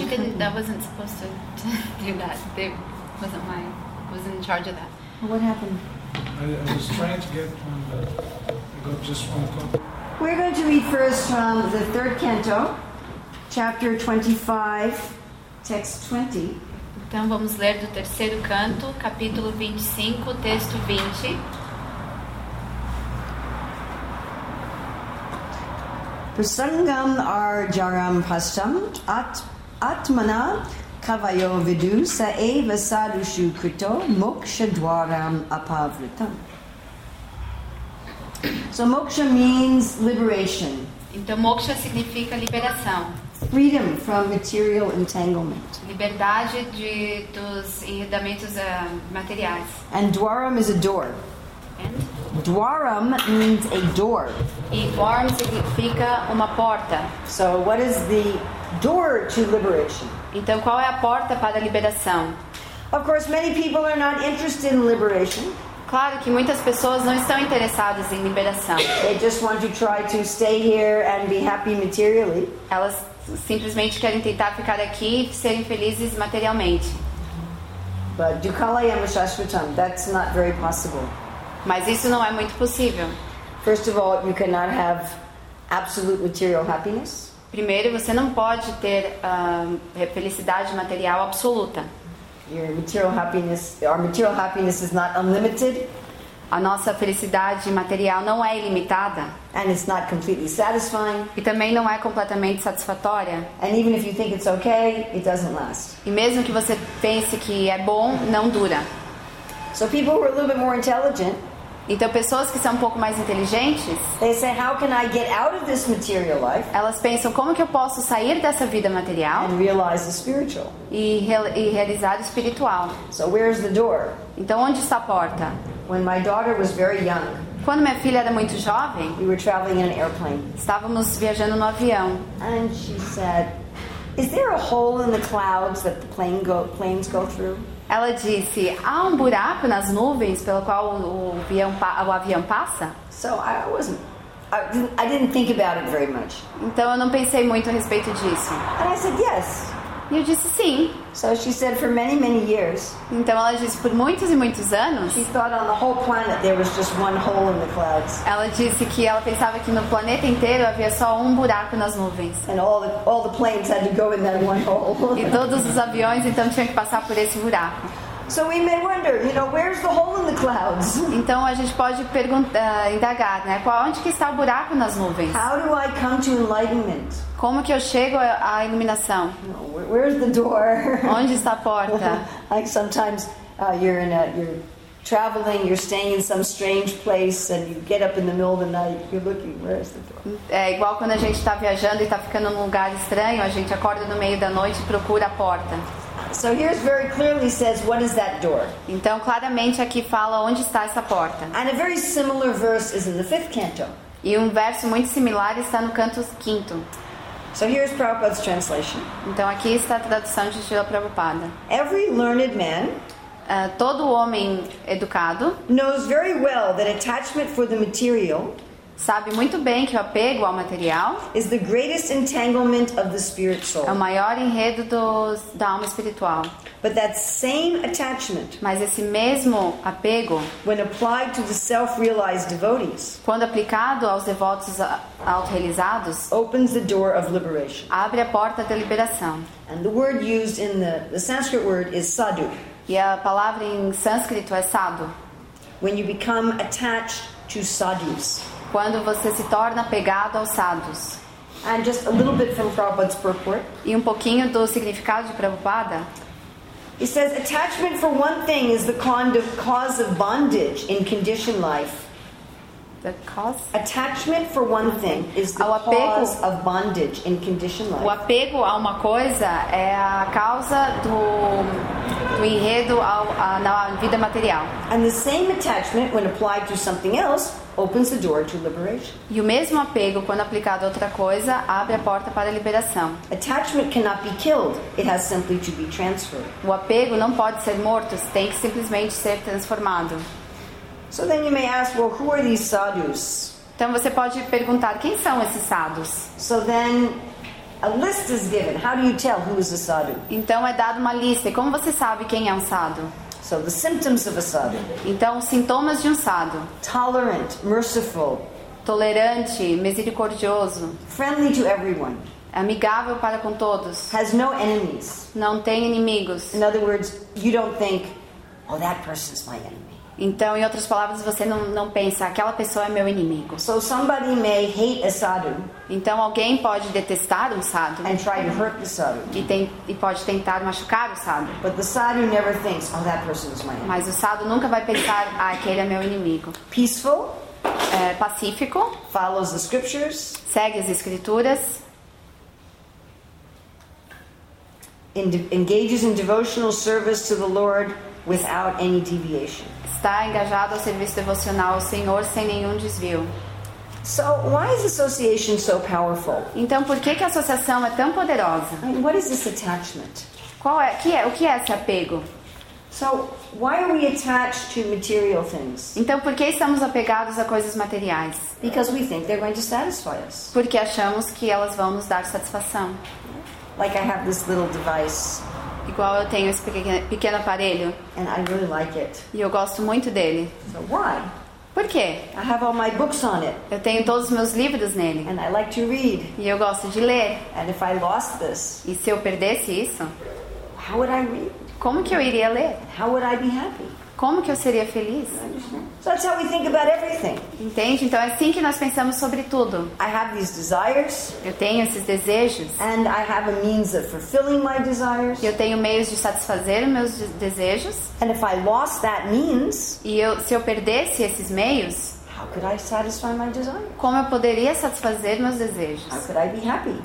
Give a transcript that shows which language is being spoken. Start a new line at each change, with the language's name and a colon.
English: No, she didn't. That wasn't supposed to do that. It wasn't my. Was in charge of that. Well, what happened? I was trying to get one, but I got just one copy. We're going to read first from the third canto, chapter 25, text 20.
Portuguese: Então vamos ler do terceiro canto, capítulo 25, texto 20.
Sanskrit: Prasangam arjaram pastam atmana kavayo vidu sa eva sadushu krito moksha dwaram apavritam.
English: So moksha means liberation.
Portuguese: Então moksha significa liberação.
English: Freedom from material entanglement.
Portuguese: Liberdade dos enredamentos materiais.
English: And dwaram is a door. And? Dwaram means a door.
Portuguese: E dwaram significa uma porta.
English: So what is the door to liberation?
Portuguese: Então qual é a porta para a liberação?
English: Of course, many people are not interested in liberation.
Portuguese: Claro que muitas pessoas não estão interessadas em liberação.
English: They just want to try to stay here and be happy materially.
Portuguese: Elas simplesmente querem tentar ficar aqui e serem felizes materialmente.
English: But
Sanskrit: dukkhalayama shashvatam,
English: that's not very possible.
Portuguese: Mas isso não é muito possível.
English: First of all, you cannot have absolute material happiness.
Portuguese: Primeiro, você não pode ter felicidade material absoluta.
English: Your material happiness, our material happiness is not unlimited.
Portuguese: A nossa felicidade material não é ilimitada.
English: And it's not completely satisfying.
Portuguese: E também não é completamente satisfatória.
English: And even if you think it's okay, it doesn't last.
Portuguese: E mesmo que você pense que é bom, não dura.
English: So people who are a little bit more intelligent.
Portuguese: Então pessoas que são um pouco mais inteligentes,
English: they say, how can I get out of this material life?
Portuguese: Elas pensam, como que eu posso sair dessa vida material?
English: And realize the spiritual.
Portuguese: E realizar o espiritual.
English: So where's the door?
Portuguese: Então onde está a porta?
English: When my daughter was very young.
Portuguese: Quando minha filha era muito jovem,
English: we were traveling in an airplane.
Portuguese: Estávamos viajando no avião.
English: And she said, is there a hole in the clouds that the planes go through?
Portuguese: Ela disse, há um buraco nas nuvens pelo qual o avião passa?
English: So I didn't think about it very much.
Portuguese: Então eu não pensei muito a respeito disso.
English: And I said, yes.
Portuguese: E eu disse sim.
English: So she said, for many, many years.
Portuguese: Então ela disse, por muitos e muitos anos.
English: She thought on the whole planet there was just one hole in the clouds.
Portuguese: Ela disse que ela pensava que no planeta inteiro havia só um buraco nas nuvens.
English: And all the planes had to go in that one hole.
Portuguese: E todos os aviões então tinham que passar por esse buraco.
English: So we may wonder, you know, where's the hole in the clouds?
Portuguese: Então a gente pode indagar, né? Onde que está o buraco nas nuvens?
English: How do I come to enlightenment?
Portuguese: Como que eu chego à iluminação?
English: Where's the door?
Portuguese: Onde está a porta?
English: Like sometimes you're traveling, you're staying in some strange place and you get up in the middle of the night, you're looking, where's the door?
Portuguese: É igual quando a gente está viajando e está ficando num lugar estranho, a gente acorda no meio da noite e procura a porta.
English: So here's very clearly says, what is that door?
Portuguese: Então claramente aqui fala onde está essa porta.
English: And a very similar verse is in the fifth canto.
Portuguese: E verso muito similar está no canto quinto.
English: So here's Prabhupada's translation.
Portuguese: Então aqui está a tradução de Srila Prabhupada.
English: Every learned man,
Portuguese: todo homem educado,
English: knows very well that attachment for the material,
Portuguese: sabe muito bem que o apego ao material,
English: is the greatest entanglement of the spirit soul.
Portuguese: É o maior enredo da alma espiritual.
English: But that same attachment,
Portuguese: mas esse mesmo apego,
English: when applied to the self-realized devotees,
Portuguese: quando aplicado aos devotos autorrealizados,
English: opens the door of liberation.
Portuguese: Abre a porta da liberação.
English: And the word used in the Sanskrit word is sadhu.
Portuguese: E a palavra em sânscrito é sadhu.
English: When you become attached to sadhus.
Portuguese: Quando você se torna apegado aos sadhus.
English: And just a little bit from Prabhupada's purport.
Portuguese: E pouquinho do significado de Prabhupada.
English: He says attachment for one thing is the cause of bondage in conditioned life. The cause? Attachment for one thing is the cause of bondage in conditioned life.
Portuguese: O apego a uma coisa é a causa do do enredo na vida material.
English: And the same attachment, when applied to something else, opens the door to liberation.
Portuguese: E o mesmo apego, quando aplicado a outra coisa, abre a porta para a liberação.
English: Attachment cannot be killed; it has simply to be transferred.
Portuguese: O apego não pode ser morto; tem que simplesmente ser transformado.
English: So then you may ask, well, who are these sadhus?
Portuguese: Então você pode perguntar quem são esses sadhus.
English: So then, a list is given. How do you tell who is a sadhu?
Portuguese: Então é dada uma lista. E como você sabe quem é um sadhu?
English: So the symptoms of a sadhu.
Portuguese: Então os sintomas de um sadhu.
English: Tolerant, merciful.
Portuguese: Tolerante, misericordioso.
English: Friendly to everyone.
Portuguese: Amigável para com todos.
English: Has no enemies.
Portuguese: Não tem inimigos.
English: In other words, you don't think, oh, that person is my enemy.
Portuguese: Então, em outras palavras, você não pensa, aquela pessoa é meu inimigo.
English: So somebody may hate a sadhu.
Portuguese: Então alguém pode detestar um sadhu.
English: And try to hurt the sadhu.
Portuguese: E pode tentar machucar o sadhu.
English: But the sadhu never thinks, oh, that person is my enemy.
Portuguese: Mas o sadhu nunca vai pensar, ah, aquele é meu inimigo.
English: Peaceful.
Portuguese: É, pacífico.
English: Follows the scriptures.
Portuguese: Segue as escrituras.
English: Engages in devotional service to the Lord without any deviation.
Portuguese: Está engajado ao serviço devocional ao Senhor sem nenhum desvio.
English: So, why is association so powerful?
Portuguese: Então, por que a associação é tão poderosa?
English: I mean, what is this attachment?
Portuguese: O que é esse apego?
English: So, why are we attached to material things?
Portuguese: Então, por que estamos apegados a coisas materiais?
English: Because we think they're going to satisfy us.
Portuguese: Porque achamos que elas vão nos dar satisfação.
English: Like I have this little device.
Portuguese: Igual eu tenho esse pequeno aparelho.
English: And I really like it.
Portuguese: E eu gosto muito dele.
English: So why?
Portuguese: Por quê?
English: I have all my books on it.
Portuguese: Eu tenho todos os meus livros nele.
English: And I like to read.
Portuguese: E eu gosto de ler.
English: And if I lost this,
Portuguese: e se eu perdesse isso?
English: How would I read?
Portuguese: Como que eu iria ler?
English: How would I be happy?
Portuguese: Como que eu seria feliz?
English: So that's how we think about everything.
Portuguese: Entende? Então é assim que nós pensamos sobre tudo.
English: I have these desires.
Portuguese: Eu tenho esses desejos.
English: And I have a means of fulfilling my desires.
Portuguese: Eu tenho meios de satisfazer meus desejos.
English: And if I lost that means,
Portuguese: se eu perdesse esses meios,
English: how could I satisfy my desires?
Portuguese: Como eu poderia satisfazer meus desejos?
English: How could I be happy?